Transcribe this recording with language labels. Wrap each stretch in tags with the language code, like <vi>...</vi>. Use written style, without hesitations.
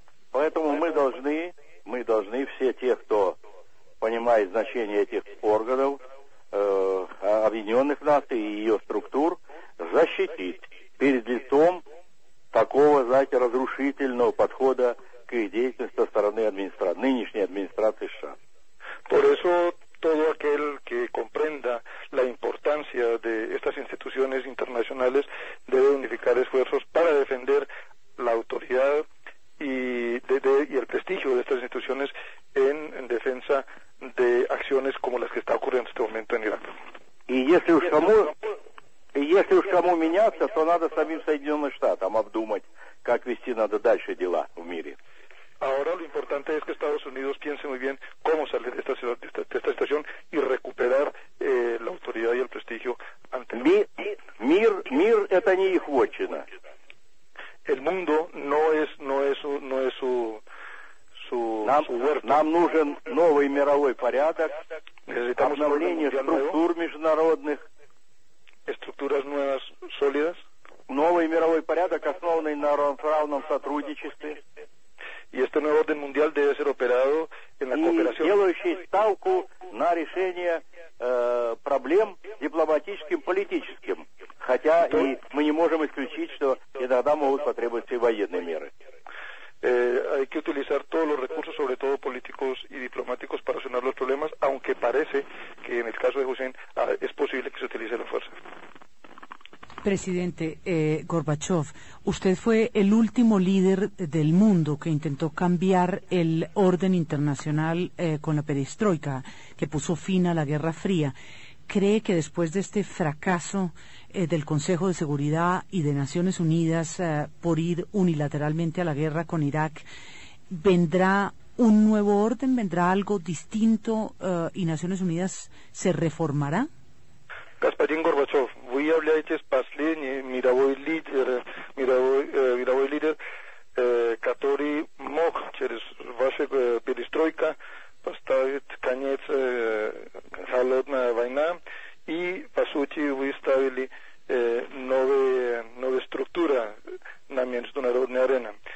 <ru>Поэтому мы должны все те, кто понимает значение этих органов, Объединенных Наций и ее структур, защитить перед лицом такого, знаете, разрушительного подхода к их деятельности со стороны нынешней администрации США.</ru> <es>Por eso todo aquel que comprenda la importancia de estas instituciones internacionales debe unificar esfuerzos para defender la autoridad y el prestigio de estas instituciones en defensa de acciones como las que está ocurriendo en este momento en Irak. Y si uno</es> <ru>меняться, то надо самим Соединенным Штатам обдумать, как вести надо дальше дела в мире.</ru> <es>Ahora lo importante es que Estados Unidos piense muy bien cómo salir de esta situación y recuperar la autoridad y el prestigio ante</es> <ru>Мир это не их вотчина.</ru> <es>El mundo no es su huerto.</es> <ru>Нам нужен новый мировой порядок, обновление структур международных.</ru> <es>Estructuras nuevas sólidas.</es> <ru>Новый мировой порядок, основанный на равном сотрудничестве.</ru> <es>Y este nuevo orden mundial debe ser operado en la cooperación.</es> <ru>И делающий ставку на решение проблем дипломатическим, политическим. Хотя и мы не можем исключить, что иногда могут потребоваться и военные меры.</ru> <es>Hay que utilizar todos los recursos, sobre todo políticos y diplomáticos, para solucionar los problemas, aunque parece que en el caso de Hussein es posible que se utilice la fuerza. Presidente Gorbachev, usted fue el último líder del mundo que intentó cambiar el orden internacional con la perestroika, que puso fin a la Guerra Fría. ¿Cree que después de este fracaso del Consejo de Seguridad y de Naciones Unidas por ir unilateralmente a la guerra con Irak, vendrá un nuevo orden, vendrá algo distinto y Naciones Unidas se reformará?</es> <ru>Господин Горбачев, вы являетесь последним мировым лидером, который мог через вашу перестройку поставить конец холодной войне, и, по сути, вы ставили новую структуру на международной арене.</ru>